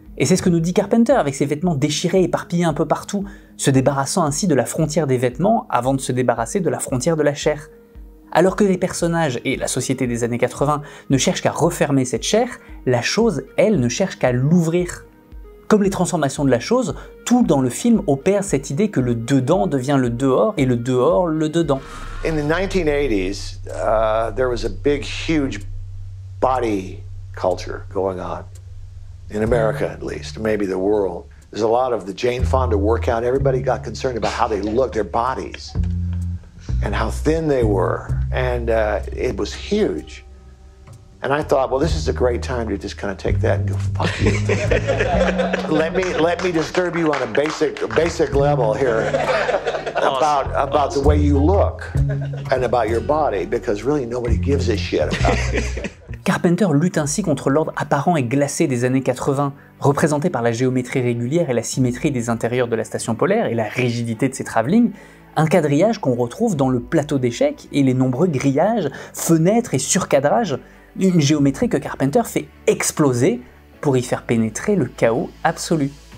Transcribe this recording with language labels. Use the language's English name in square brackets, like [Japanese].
[French] Et c'est ce que nous dit Carpenter avec ses vêtements déchirés, éparpillés un peu partout, se débarrassant ainsi de la frontière des vêtements avant de se débarrasser de la frontière de la chair. Alors que les personnages et la société des années 80 ne cherchent qu'à refermer cette chair, la chose, elle, ne cherche qu'à l'ouvrir. Comme les transformations de la chose, tout dans le film opère cette idée que le dedans devient le dehors et le dehors le dedans. [English] In the 1980s, there was a big, huge body culture going on in America, at least, maybe the world. There's a lot of the Jane Fonda workout. Everybody got concerned about how they looked, their bodies, and how thin they were, and it was huge. And I thought, well, this is a great time to just kind of take that and go, fuck you. let me disturb you on a basic level here. Awesome. About the way you look and about your body, because really nobody gives a shit about it. [French] Carpenter lutte ainsi contre l'ordre apparent et glacé des années 80, représenté par la géométrie régulière et la symétrie des intérieurs de la station polaire et la rigidité de ses travelling. Un quadrillage qu'on retrouve dans le plateau d'échecs et les nombreux grillages, fenêtres et surcadrages. Une géométrie que Carpenter fait exploser pour y faire pénétrer le chaos absolu.